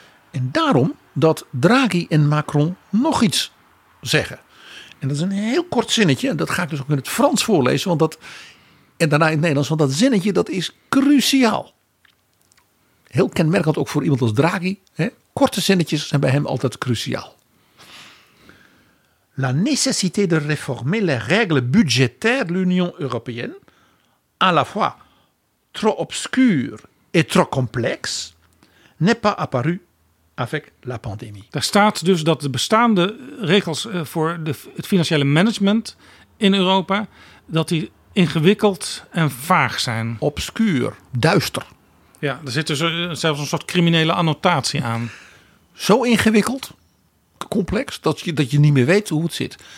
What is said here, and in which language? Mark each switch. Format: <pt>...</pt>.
<nl>En daarom dat Draghi en Macron nog iets zeggen. En dat is een heel kort zinnetje, en dat ga ik dus ook in het Frans voorlezen, want dat... En daarna in het Nederlands, want dat zinnetje dat is cruciaal. Heel kenmerkend ook voor iemand als Draghi. Hè? Korte zinnetjes zijn bij hem altijd cruciaal.</nl> <fr>La nécessité de réformer les règles budgétaires de l'Union européenne, à la fois trop obscure et trop complexe, n'est pas apparu avec la pandémie.</fr> <nl>Daar staat dus dat de bestaande regels voor het financiële management in Europa, dat die ingewikkeld en vaag zijn. Obscuur, duister. Ja, er zit dus zelfs een soort criminele annotatie aan. Zo ingewikkeld, complex, dat je niet meer weet hoe het zit.</nl>